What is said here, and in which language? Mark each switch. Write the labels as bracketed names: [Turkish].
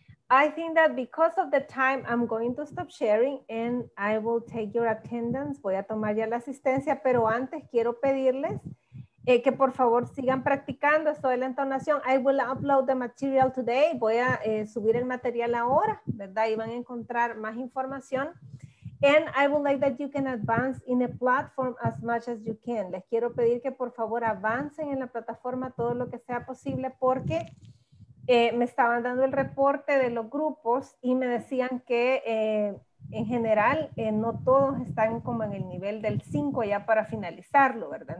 [English] I think that because of the time, I'm going to stop sharing and I will take your attendance. [Spanish] Voy a tomar ya la asistencia, pero antes quiero pedirles que por favor sigan practicando esto de la entonación. [English] I will upload the material today. [Spanish] Voy a subir el material ahora, ¿verdad? Y van a encontrar más información. [English] And I would like that you can advance in the platform as much as you can. [Spanish] Les quiero pedir que por favor avancen en la plataforma todo lo que sea posible porque... me estaban dando el reporte de los grupos y me decían que en general, no todos están como en el nivel del 5 ya para finalizarlo, ¿verdad?